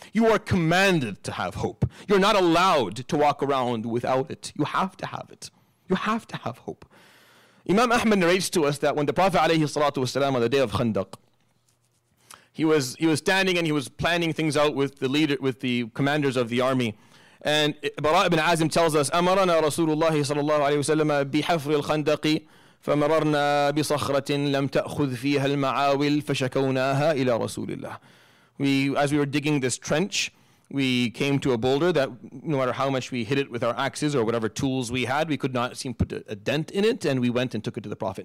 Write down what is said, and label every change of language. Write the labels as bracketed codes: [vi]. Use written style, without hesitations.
[en] You are commanded to have hope. You're not allowed to walk around without it. You have to have it. You have to have hope. Imam Ahmad narrates to us that when the Prophet alayhi salatu wasalam on the day of Khandaq, he was standing and he was planning things out with the leader, with the commanders of the army. And Bara' ibn Azim tells us, [ar] أَمَرَنَا رَسُولُ اللَّهِ صَلَى اللَّهُ عَلَيْهِ وَسَلَّمَ بِحَفْرِ الْخَنْدَقِ فَمَرَرْنَا بِصَخْرَةٍ لَمْ تَأْخُذْ فِيهَا الْمَعَاوِلْ فَشَكَوْنَاهَا إِلَى رَسُولِ اللَّهِ. [en] As we were digging this trench, we came to a boulder that no matter how much we hit it with our axes or whatever tools we had, we could not seem to put a dent in it, and we went and took it to the Prophet.